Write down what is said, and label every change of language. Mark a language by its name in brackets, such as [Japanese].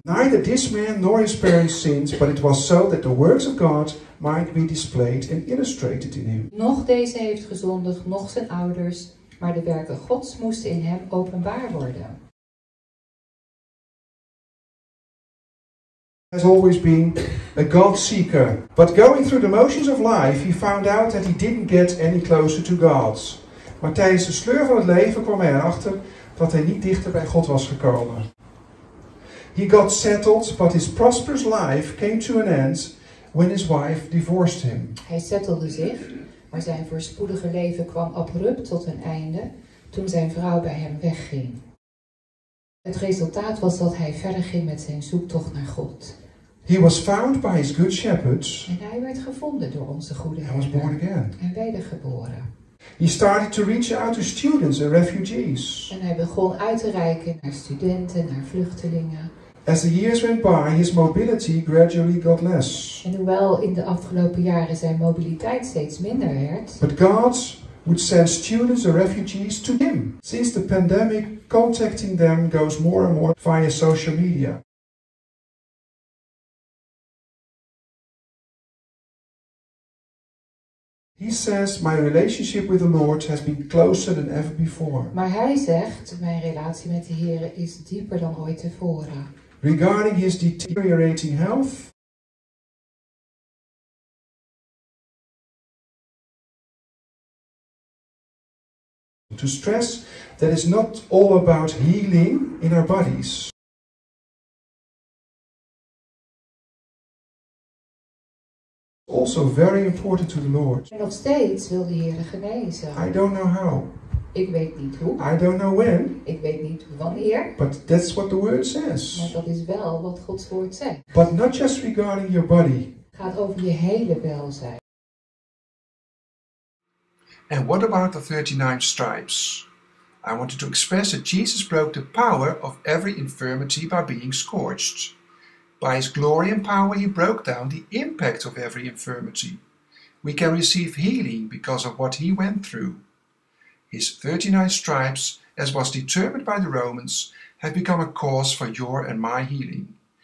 [English] Neither this man nor his parents sinned, but it was so that the works of God might be displayed and illustrated in him. [Dutch] Nog deze heeft gezondigd, nog zijn ouders, maar de werken Gods moesten in hem openbaar worden. [English] Has always been a God seeker, but going through the motions of life, he found out that he didn't get any closer to God. [Dutch] Maar tijdens de sleur van het leven kwam hij erachter dat hij niet dichter bij God was gekomen. [English] He got settled, but his prosperous life came to an end when his wife divorced him. [Dutch] Hij settelde zich, maar zijn voorspoedige leven kwam abrupt tot een einde toen zijn vrouw bij hem wegging. Het resultaat was dat hij verder ging met zijn zoektocht naar God. [English] He was found by his good shepherds. [Dutch] En hij werd gevonden door onze goede [English] Heer. He was born again. [Dutch] En wedergeboren. [English] He started to reach out to students and refugees. [Dutch] En hij begon uit te reiken naar studenten, naar vluchtelingen. [English] As the years went by, his mobility gradually got less. [Dutch] En hoewel in de afgelopen jaren zijn mobiliteit steeds minder werd. [English] But God would send students or refugees to him. Since the pandemic, contacting them goes more and more via social media. He says, my relationship with the Lord has been closer than ever before. [Dutch] Maar hij zegt, mijn relatie met de Heere is dieper dan ooit tevoren. [English] Regarding his deteriorating health, to stress that it's not all about healing in our bodies. Also very important to the Lord. [Dutch] En nog steeds wil de Heere genezen. [English] I don't know how. [Dutch] Ik weet niet hoe. [English] I don't know when. [Dutch] Ik weet niet wanneer. [English] But that's what the word says. [Dutch] Maar dat is wel wat Gods woord zegt. [English] But not just regarding your body. [Dutch] Het gaat over je hele welzijn. [English] And what about the 39 stripes? I wanted to express that Jesus broke the power of every infirmity by being scourged. By his glory and power, he broke down the impact of every infirmity. We can receive healing because of what he went through. His 39 stripes, as was determined by the Romans, have become a cause for your and my healing.